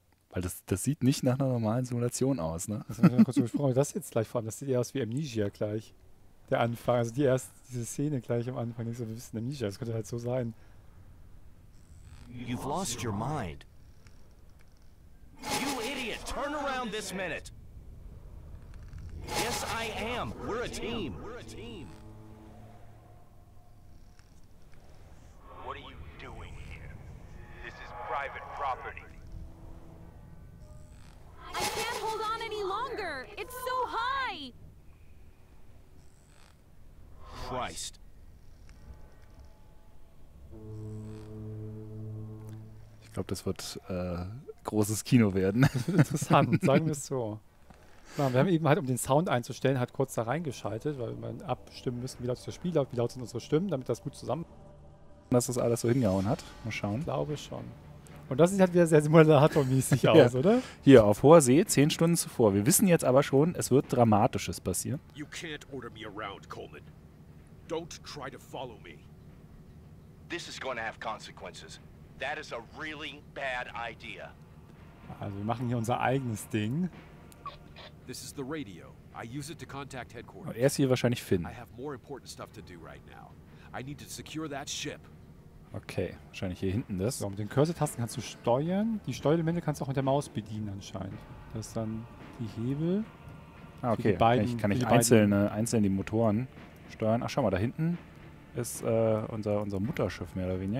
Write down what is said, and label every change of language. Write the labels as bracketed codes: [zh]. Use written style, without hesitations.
[de] Weil das sieht nicht nach einer normalen Simulation aus, ne? Das haben wir kurz besprochen. Das jetzt gleich vor allem, das sieht eher aus wie Amnesia gleich. Der Anfang, also diese Szene gleich am Anfang. Ich so, wir wissen Amnesia, das könnte halt so sein. [en] You've lost your mind. You idiot, turn around this minute. Yes, I am. We're a team. We're a team. What are you doing here? This is private property. I can't hold on any longer. It's so high. Christ. [de] Ich glaube, das wird großes Kino werden. Interessant, sagen wir es so. Wir haben eben halt, um den Sound einzustellen, halt kurz da reingeschaltet, weil wir abstimmen müssen, wie laut ist das Spiel, wie laut sind unsere Stimmen, damit das gut zusammen... Dass das alles so hingehauen hat. Mal schauen. Ich glaube schon. Und das sieht halt wieder sehr simulatormäßig aus, oder? Hier, auf hoher See, 10 Stunden zuvor. Wir wissen jetzt aber schon, es wird Dramatisches passieren. [en] You can't order me around, Coleman. Don't try to follow me. This is going to have consequences. That is a really bad idea. [de] Also wir machen hier unser eigenes Ding. [en] This is the radio. I use it to contact headquarters. [de] Er ist hier wahrscheinlich Finn. [en] I have more important stuff to do right now. I need to secure that ship. [de] Okay, wahrscheinlich hier hinten das. So, mit den Cursor-Tasten kannst du steuern. Die Steuerelemente kannst du auch mit der Maus bedienen anscheinend. Das ist dann die Hebel. Ah, okay. Kann ich einzeln die Motoren steuern. Ach, schau mal, da hinten ist unser Mutterschiff mehr oder weniger.